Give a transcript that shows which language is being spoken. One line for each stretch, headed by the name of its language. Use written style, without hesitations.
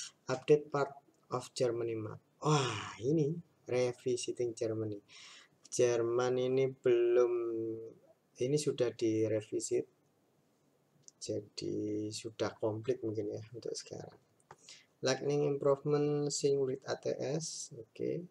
English: Update part of Germany map.
Indonesian: Wah, ini revisiting Germany. Jerman ini belum, ini sudah direvisi, jadi sudah komplit mungkin ya untuk sekarang.
English: Lighting improvement, sync with ATS, oke.